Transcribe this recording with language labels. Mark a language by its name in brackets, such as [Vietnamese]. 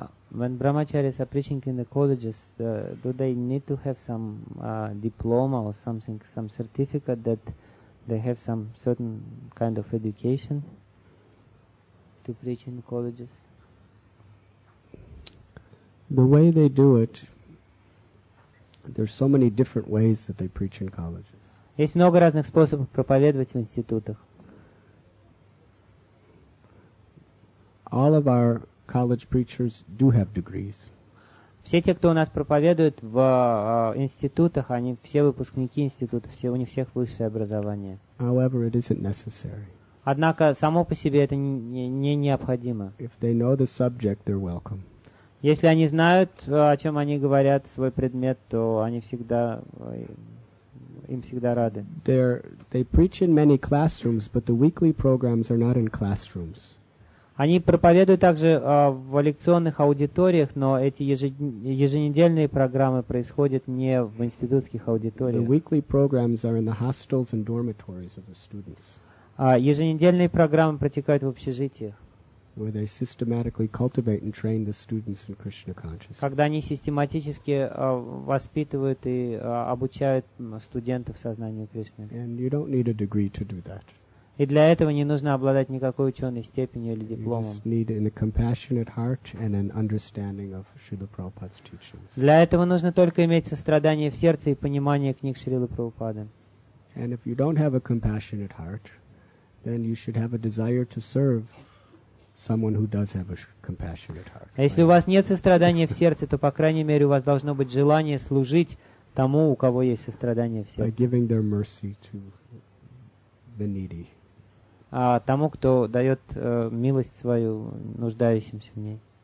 [English] When brahmacharis are preaching in the colleges, do they need to have some diploma or something, some certificate that they have some certain kind of education to preach in colleges? The way they do it, there's so many different ways that they preach in colleges. [Russian] Есть много разных способов проповедовать в институтах. [English] All of our college preachers do have degrees. [Russian] Все те, кто у нас проповедуют в институтах, они все выпускники институтов, все у них всех высшее образование. [English] However, it isn't necessary. [Russian] Однако само по себе это не необходимо. [English] If they know the subject, they're welcome. [Russian] Если они знают, о чем они говорят, свой предмет, то они всегда, им всегда рады. [English] They preach in many classrooms, but the weekly programs are not in classrooms. [Russian] Они проповедуют также в лекционных аудиториях, но эти еженедельные программы происходят не в институтских аудиториях. [English] The weekly programs are in the hostels and dormitories of the students. [Russian] Еженедельные программы протекают в общежитиях. [English] Where they systematically cultivate and train the students in Krishna consciousness. [Russian] Когда они систематически воспитывают и обучают студентов сознанию Кришны. [English] And you don't need a degree to do that. [Russian] И для этого не нужно обладать никакой ученой степенью или дипломом. [English] You just need a compassionate heart and an understanding of Srila Prabhupada's teachings. [Russian] Для этого нужно только иметь сострадание в сердце и понимание книг Шрилы Прабхупады. [English] And if you don't have a compassionate heart, then you should have a desire to serve someone who does have a compassionate heart. [Russian] Если у вас нет сострадания в сердце, то по крайней мере у вас должно быть желание служить тому, у кого есть сострадание в сердце. [English] By giving their mercy to the needy. [Russian] А тому, кто дает милость свою нуждающимся в ней.